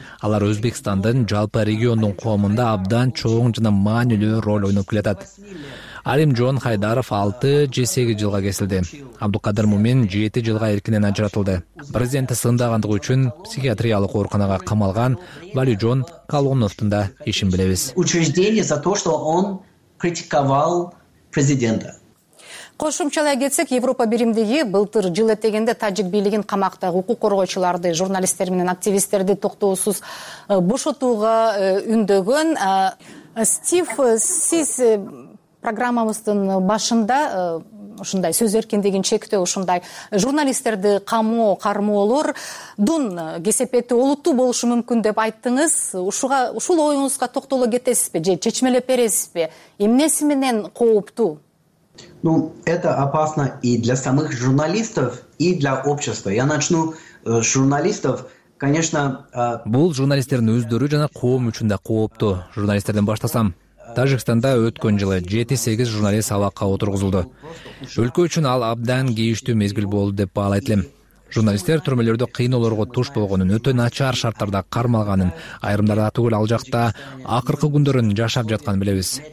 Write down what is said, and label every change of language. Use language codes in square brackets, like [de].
[ky] Алар Өзбекстандын жалпы региондун коомунда абдан чоң жана маанилүү роль ойноп келатат. Алим Жон Хайдаров 6 же 8 жылга кесилди. Абдукадыр Мумин 7 жылга эркинен ажыратылды. Президентти сындагандыгы үчүн психиатриялык ооруканага камалган Валижон Калоновдун да ишин билебиз. [ru] Учреждение за то, что он критиковал президента. [ky] Кошумчалай кетсек, Европа биримдиги былтыр жыл этегенде тажик бийлигин камактагы укук коргоочуларды, журналисттер менен активисттерди токтоосуз бошотууга үндөгөн. Стив, сиз программабыздын башында ушундай сөз эркиндигин чектөө, ушундай журналисттерди камоо, кармоолордун кесепети олуттуу болушу мүмкүн деп айттыңыз. Ушул оюңузга токтоло кетесизби же чечмелеп бересизби? Эмнеси менен кооптуу? [ru] Ну, это опасно и для самых журналистов, и для общества. Я начну с журналистов. Конечно, [ky] бул журналисттердин өздөрү жана коом үчүн да кооптуу. Журналисттерден баштасам, Тажикстанда өткөн жылы 7-8 журналист абакка отургузулду. Өлкө үчүн ал абдан кийиштүү мезгил болду деп баалайт элем. Журналисттер түрмөлөрдө кыйноолорго туш болгонун, өтө начар шарттарда кармалганын, айрымдары түгөл ал жакта акыркы күндөрүн жашап жатканын билебиз.